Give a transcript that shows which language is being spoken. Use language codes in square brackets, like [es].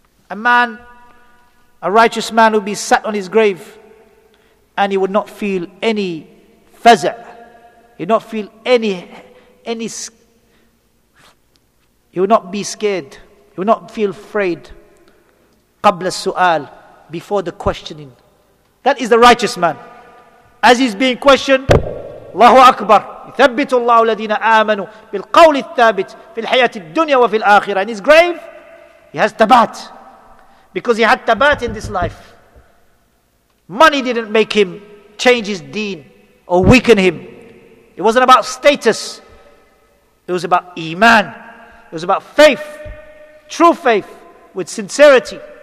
[en] A man, a righteous man, would be sat on his grave and he would not feel any faza. He'd not feel any. He would not be scared. He would not feel afraid. [ar] Qabla su'al, [en] before the questioning. That is the righteous man. As he's being questioned, [ar] Allahu Akbar, يثبت الله الذين آمنوا بالقول الثابت في الحياة الدنيا وفي الآخرة. [en] In his grave, he has tabat. Because he had tabat in this life. Money didn't make him change his deen or weaken him. It wasn't about status. It was about iman. It was about faith. True faith with sincerity.